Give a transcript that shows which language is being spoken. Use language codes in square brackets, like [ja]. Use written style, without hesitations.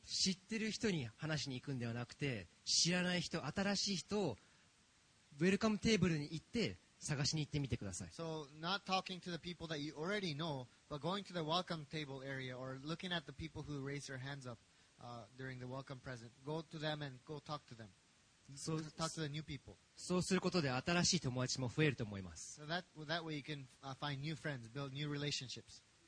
[ja] 知ってる人に話しに行くんではなくて、知らない人、新しい人をウェルカムテーブルに行って探しに行ってみてください。 [en] So not talking to the people that you already know, but going to the welcome table area or looking at the people who raise their hands up during the welcome present. Go to them and go talk to them. So talk to the new people. [ja] そうすることで新しい友達も増えると思います。 [en] So that way you can find new friends, build new relationships.